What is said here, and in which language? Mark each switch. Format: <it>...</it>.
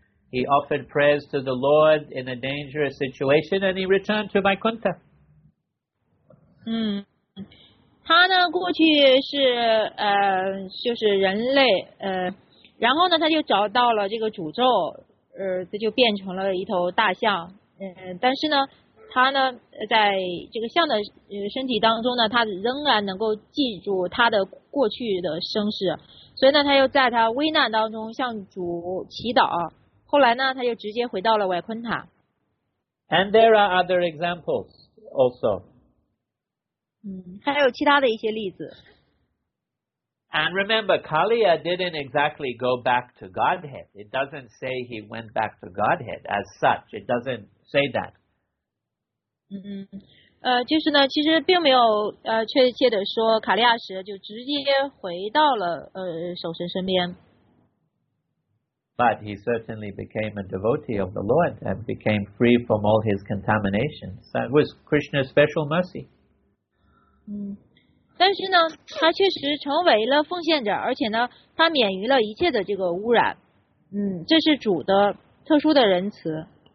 <en>He offered prayers to the Lord in a dangerous situation, and he returned to Vaikuntha.</en> <zh>他呢过去是就是人类然后呢他就找到了这个诅咒他就变成了一头大象但是呢他呢在这个象的身体当中呢他仍然能够记住他的过去的生世所以呢他又在他危难当中向主祈祷后来呢他就直接回到了维昆塔。</zh> <en>And there are other examples also.</en> <zh>还有其他的一些例子。</zh> <en>And remember, Kaliya didn't exactly go back to Godhead. It doesn't say he went back to Godhead as such. It doesn't say that.</en> <zh>就是呢，其实并没有确切的说卡利亚什就直接回到了守神身边。</zh> <en>But he certainly became a devotee of the Lord and became free from all his contaminations. That was Krishna's special mercy.</en> <zh>但是呢他确实成为了奉献者而且呢他免于了一切的这个污染这是主的特殊的仁慈</zh>